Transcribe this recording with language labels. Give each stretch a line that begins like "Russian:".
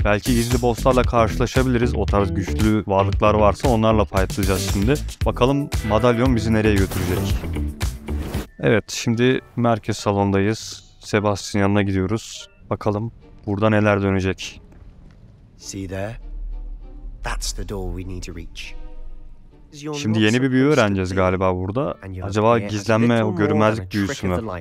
Turkish: Belki gizli bosslarla karşılaşabiliriz. O tarz güçlü varlıklar varsa onlarla fightlayacağız şimdi. Bakalım madalyon bizi nereye götürecek? Evet, şimdi merkez salondayız. Sebastian'ın yanına gidiyoruz. Bakalım burada neler dönecek?
English: See there? That's the door we need to reach.
Turkish: Şimdi yeni bir büyü öğreneceğiz galiba burada. Acaba gizlenme, o görünmezlik büyüsü mü?